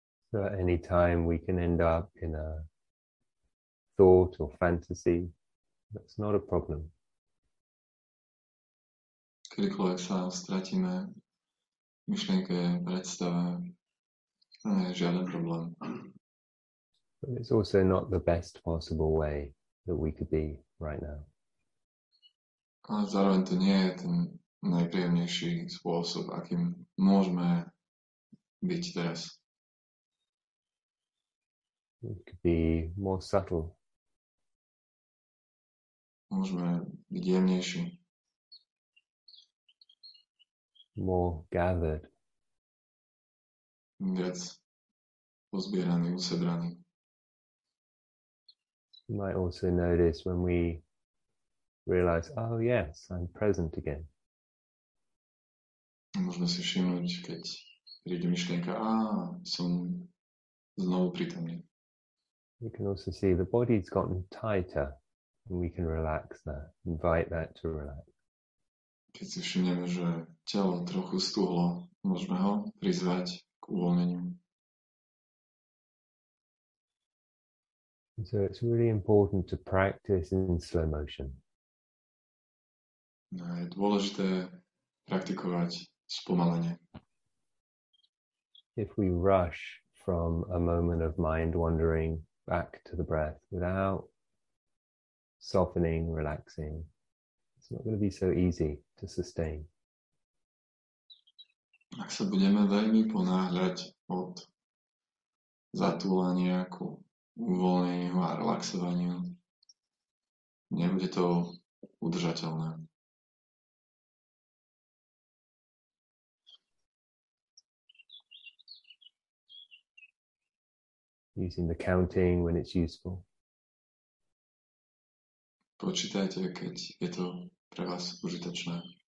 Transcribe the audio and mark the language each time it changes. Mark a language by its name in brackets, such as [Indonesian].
[English] So at any time we can end up in a thought or fantasy, that's not a problem. [Slovak] Kedykoľvek sa stratíme myšlienke, predstave, to nie je žiaden problém. [English] But it's also not the best possible way that we could be right now. [Slovak] A zároveň to nie je ten najpríjemnejší spôsob, akým môžeme byť teraz. [English] We could be more subtle. [Slovak] Môžeme byť jemnejší. [English] More gathered. [Slovak] Viac pozbieraný, usebraný. [English] You might also notice when we realize, oh yes, I'm present again. [Slovak] Môžeme si všimnúť, keď príde myšlienka, som znovu prítomný. [English] We can also see the body's gotten tighter and we can relax that, invite that to relax. [Slovak] Keď si všimneme, že telo trochu stúhlo, môžeme ho prizvať k uvoľneniu. [English] So it's really important to practice in slow motion. [Slovak] No, je dôležité praktikovať spomalenie. [English] If we rush from a moment of mind wandering back to the breath without softening, relaxing, it's not going to be so easy to sustain. [Slovak] Ak sa budeme veľmi ponáhľať od zatúlania ku uvoľneniu a relaxovaniu, nebude to udržateľné. [English] Using the counting when it's useful. [Slovak] Počítajte, keď je to pre vás užitočné.